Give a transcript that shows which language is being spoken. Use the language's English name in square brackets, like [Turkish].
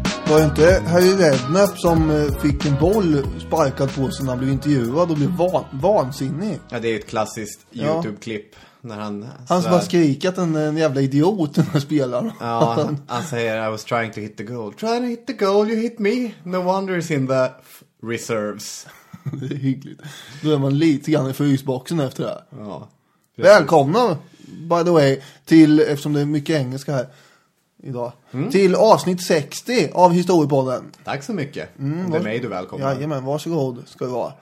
[Swedish] Var inte Harry Redknapp som fick en boll sparkad på sig när han blev intervjuad och blev vansinnig? Ja, det är ett klassiskt YouTube-klipp. när han han som har skrikat en jävla idiot när han spelar. Ja, han säger [English] I was trying to hit the goal. Trying to hit the goal, you hit me. No wonder he's in the reserves. [Swedish] Det är hyggligt. Då är man lite grann i frysboxen efter det här. Ja. Precis. Välkomna, [English] by the way, [Swedish] till, eftersom det är mycket engelska här idag, till avsnitt 60 av Historiepodden. Tack så mycket. Mm, det är mig du välkomnar. Jajamän, varsågod ska du vara.